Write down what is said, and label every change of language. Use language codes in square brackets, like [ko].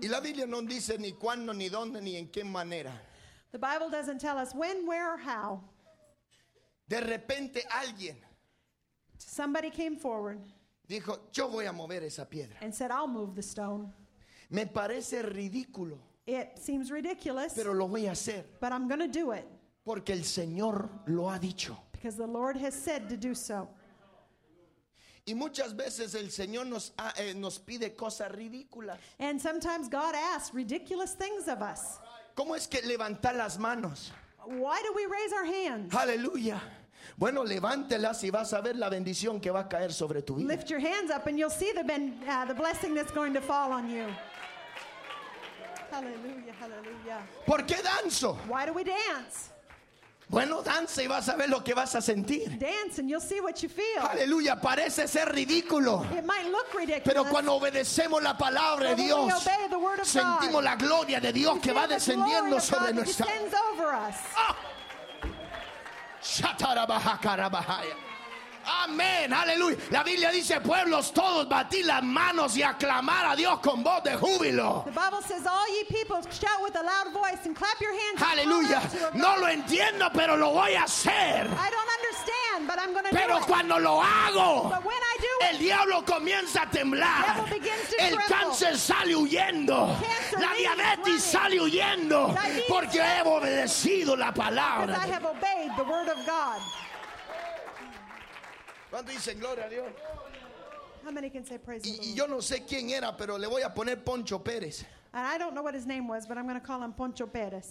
[es] Y la Biblia no dice ni cuándo, ni dónde, ni en qué manera. [en] The Bible doesn't tell us when, where, or how. [es] De repente alguien [en] somebody came forward [es] dijo, yo voy a mover esa piedra. [en] And said, I'll move the stone. [es] Me parece ridículo. [en] It seems ridiculous. [es] Pero lo voy a hacer. [en] But I'm going to do it. [es] Porque el Señor lo ha dicho. [en] Because the Lord has said to do so. [es] Y muchas veces el Señor nos pide cosas ridículas. [en] And sometimes God asks ridiculous things of us. [es] ¿Cómo es que levanta las manos? [en] Why do we raise our hands? Hallelujah. [es] Bueno, levántelas y vas a ver la bendición que va a caer sobre tu vida. [en] Lift your hands up and you'll see the blessing that's going to fall on you. Hallelujah, hallelujah. [es] ¿Por qué danzo? [en] Why do we dance? [es] Bueno, danza y vas a ver lo que vas a sentir. [en] Dance and you'll see what you feel. [es] Aleluya, parece ser ridículo. [en] It might look ridiculous. [es] Pero cuando obedecemos la palabra de Dios, [en] when we obey the word of [es] sentimos [en] God, [es] la gloria de Dios que va descendiendo sobre [en] God [es] nuestra. [en] Descends over us. Shatarabahakarabahaya. Amén, aleluya. [es] La Biblia dice, pueblos todos, batid las manos y aclamar a Dios con voz de júbilo. [en] The Bible says, all ye peoples, shout with a loud voice and clap your hands. Aleluya. [es] No lo entiendo, pero lo voy a hacer. [en] I don't understand, but I'm going to do it. [es] Pero cuando lo hago, [en] but when I do it, [es] el diablo comienza a temblar. [en] The devil begins to tremble. [es] El cáncer sale huyendo. [en] Cancer, [es] la diabetes sale huyendo. Porque he obedecido la palabra. [en] Because I have obeyed the word of God. [es] ¿Cuántos dicen gloria a Dios? [en] How many can say praise [es] y, y yo no sé quién era, pero le voy a poner Poncho Pérez. [en] And I don't know what his name was, but I'm going to call him Poncho Pérez.